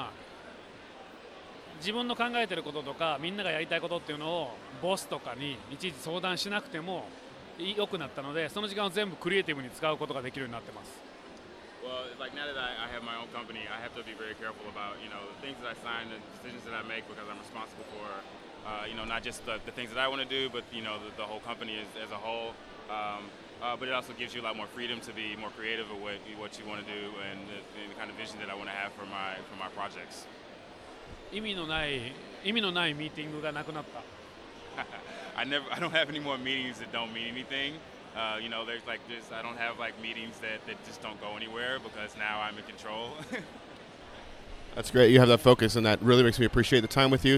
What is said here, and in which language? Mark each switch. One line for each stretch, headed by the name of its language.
Japanese: で、それと良くなったのは自分の考えてることとかみんながやりたいことっていうのをボスとかにいちいち相談しなくても良くなったので、その時間を全部クリエイティブに使うことができるようになってます。
English: Well, like now that I have my own company, I have to be very careful about, you know, things that I sign and decisions that I make because I'm responsible for, you know, not just the things that I want to do, but, you know, the whole company as a whole. But it also gives you a lot more freedom to be more creative with what you want to do and the kind of vision that I want to have for my projects.
Japanese: 意味のないミーティングがなくなった。
English: I don't have any more meetings that don't mean anything. You know, there's like this, I don't have like meetings that just don't go anywhere because now I'm in control. That's great. You have that focus and that really makes me appreciate the time with you.